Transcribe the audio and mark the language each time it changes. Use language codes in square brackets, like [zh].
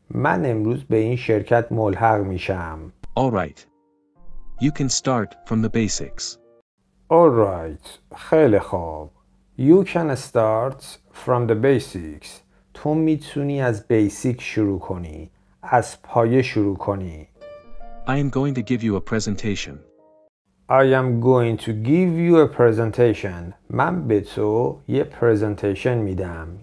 [fa] من امروز به این شرکت ملحق میشم. [en] All right. You can start from the basics. All right. [fa] خیلی خوب. [en] You can start from the basics. [fa] تو میتونی از بیسیک شروع کنی. از پایه شروع کنی. [en] I am going to give you a presentation. I am going to give you a presentation. [fa] من به تو یه پرزنتیشن میدم.